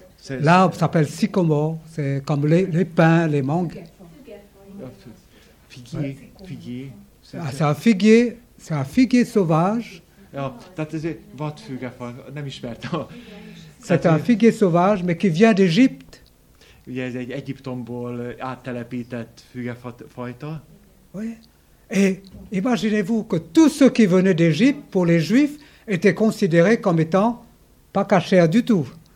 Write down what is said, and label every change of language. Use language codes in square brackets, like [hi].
[fr] L'arbre s'appelle sycomore, c'est comme les pins, les mangues. Figuier. C'est un figuier, c'est un figuier sauvage. C'est un figuier sauvage, mais qui vient d'Égypte. [hu] Ugye ez egy Egyiptomból áttelepített fügefajta. [fr] Oui. Et imaginez-vous que tous ceux qui venaient d'Égypte pour les Juifs étaient considérés comme étant pas kasher du tout.